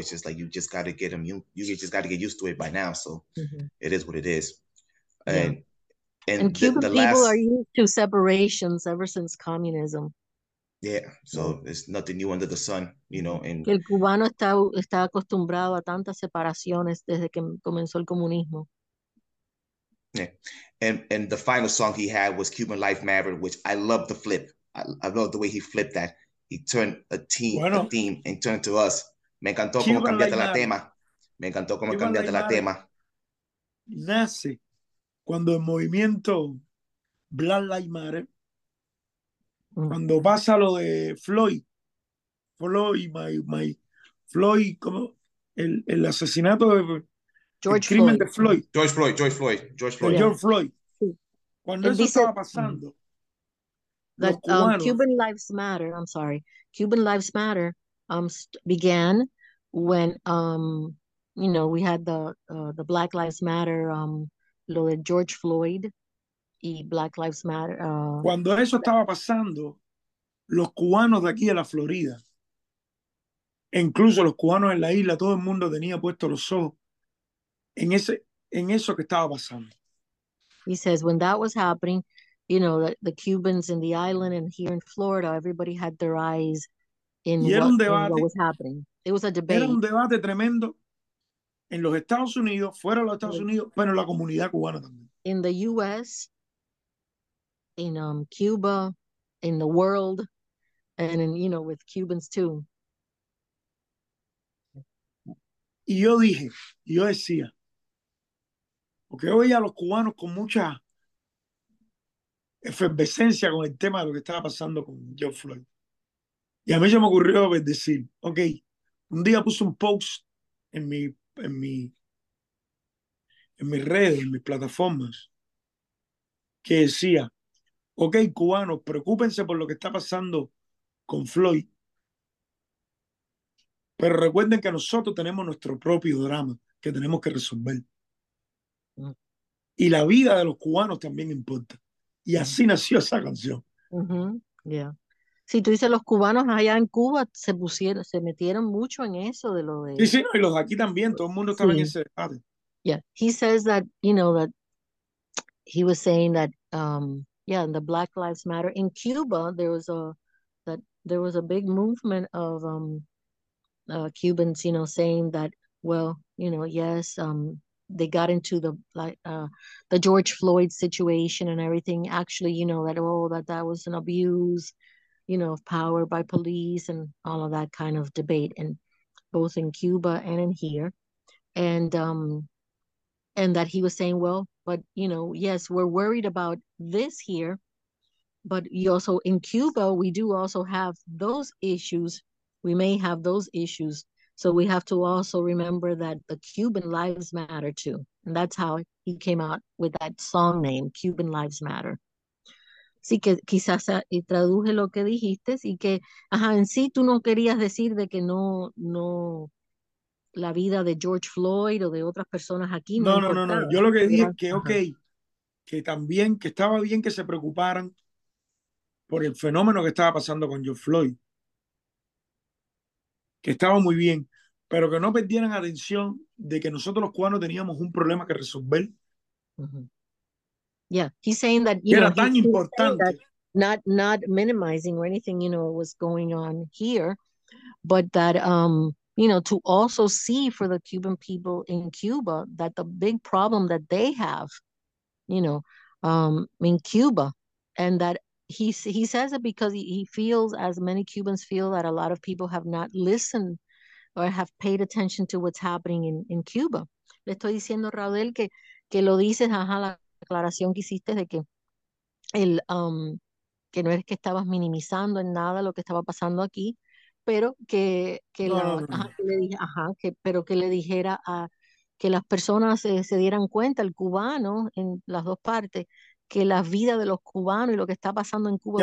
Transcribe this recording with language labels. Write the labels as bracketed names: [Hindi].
[English] It's just like you just got to get immune. You just got to get used to it by now. So it is what it is. And yeah. And Cuban people are used to separations ever since communism. Yeah. So it's nothing new under the sun, you know. And [Spanish] el cubano está acostumbrado a tantas separaciones desde que comenzó el comunismo. [English] Yeah. And the final song he had was Cuban Life Maverick, which I love the flip. I love the way he flipped that. He turned a theme and turned to us. [Spanish] Me encantó cómo cambiaste la tema. Me encantó cómo cambiaste la tema. Nace cuando el movimiento Black Lives Matter, cuando pasa lo de Floyd, my Floyd, como el asesinato de George, el crimen Floyd. De Floyd. George Floyd. George Floyd. Cuando él eso dice, estaba pasando. [English] That, [Spanish] los cubanos, [English] Cuban Lives Matter, I'm sorry. Cuban Lives Matter began when you know, we had the Black Lives Matter, [Spanish] lo de George Floyd y Black Lives Matter. Cuando eso estaba pasando, los cubanos de aquí de la Florida incluso los cubanos en la isla, todo el mundo tenía puesto los ojos en ese, en eso que estaba pasando. [English] He says, when that was happening, you know, the Cubans in the island and here in Florida, everybody had their eyes in, [Spanish] debate, [English] in what was happening. It was a debate. [Spanish] Era un debate tremendo en los Estados Unidos, fuera de los Estados Unidos, pero en la comunidad cubana también. [English] In the U.S., in Cuba, in the world, and in, you know, with Cubans too. [Spanish] Y yo dije, yo decía, porque yo veía a los cubanos con mucha efervescencia con el tema de lo que estaba pasando con George Floyd. Y a mí se me ocurrió decir, ok, un día puse un post en mi, en mi, en mis redes, en mis plataformas, que decía, ok, cubanos, preocúpense por lo que está pasando con Floyd, pero recuerden que nosotros tenemos nuestro propio drama que tenemos que resolver. Y la vida de los cubanos también importa. Y así nació esa canción. [English] Uh-huh. Yeah. [Spanish] Si tú dices los cubanos allá en Cuba se pusieron, se metieron mucho en eso de lo de... Sí, sí, no, y los de aquí también, todo el mundo estaba en ese debate. [English] Yeah, he says that, you know, that he was saying that, yeah, the Black Lives Matter. In Cuba, there was a, that there was a big movement of Cubans, you know, saying that, well, you know, yes, they got into the the George Floyd situation and everything. Actually, you know, that, oh, that that was an abuse, you know, of power by police and all of that kind of debate, and both in Cuba and in here. And that he was saying, well, but, you know, yes, we're worried about this here, but you also in Cuba, we do also have those issues. We may have those issues. So we have to also remember that the Cuban lives matter too. And that's how he came out with that song name, Cuban Lives Matter. [Spanish] Sí, que quizás y traduje lo que dijiste y que, ajá, en sí tú no querías decir de que no, no, la vida de George Floyd o de otras personas aquí. No, no, no, no, yo lo que dije es que, ok, que también, que estaba bien que se preocuparan por el fenómeno que estaba pasando con George Floyd, que estaba muy bien, pero que no perdieran atención de que nosotros los cubanos teníamos un problema que resolver. [English] Yeah, he's saying that, you [Spanish] era [English] know, [Spanish] tan [English] he's [Spanish] importante. [English] That not minimizing or anything, you know, was going on here, but that, you know, to also see for the Cuban people in Cuba that the big problem that they have, you know, in Cuba, and that he says it because he feels, as many Cubans feel, that a lot of people have not listened or have paid attention to what's happening in Cuba. [Spanish] Le estoy diciendo, Raudel, que lo dices, ajá, la aclaración que hiciste de que el que no es que estabas minimizando en nada lo que estaba pasando aquí, pero que no, la, no, no, ajá, no. Que le dije, ajá, que, pero que le dijera a que las personas se dieran cuenta, el cubano en las dos partes, que la vida de los cubanos y lo que está pasando en Cuba,